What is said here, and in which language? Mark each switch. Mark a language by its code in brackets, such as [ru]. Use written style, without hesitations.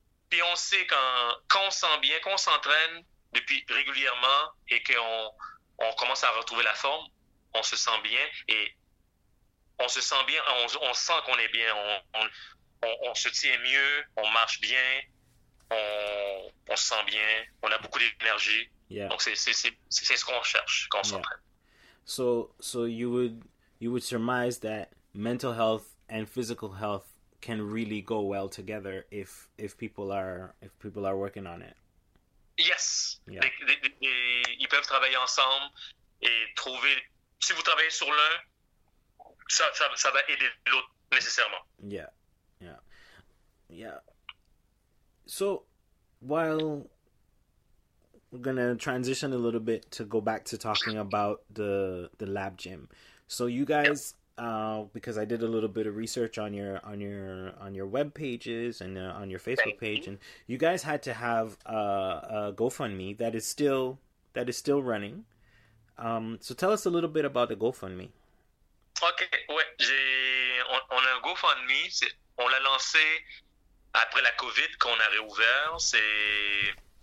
[fr] Puis on sait quand on sent bien, qu'on s'entraîne depuis régulièrement et qu'on commence à retrouver la forme, on se sent bien et on sent qu'on est bien, on se tient mieux, on marche bien, on se sent bien, on a beaucoup d'énergie. [en] Yeah. [fr] Donc c'est ce qu'on cherche quand on s'entraîne. [en] So you would surmise that mental health and physical health can really go well together if people are working on it. Yes. Yeah. [fr] Ils peuvent travailler ensemble et trouver. Si vous travaillez sur l'un, ça va aider l'autre nécessairement. [en] Yeah. So, while we're gonna transition a little bit to go back to talking about the lab gym. So you guys. Yep. Because I did a little bit of research on your web pages and on your Facebook page, and you guys had to have a GoFundMe that is still running. So tell us a little bit about the GoFundMe. [fr] Okay, ouais, on a un GoFundMe. On l'a lancé après la COVID quand on a réouvert.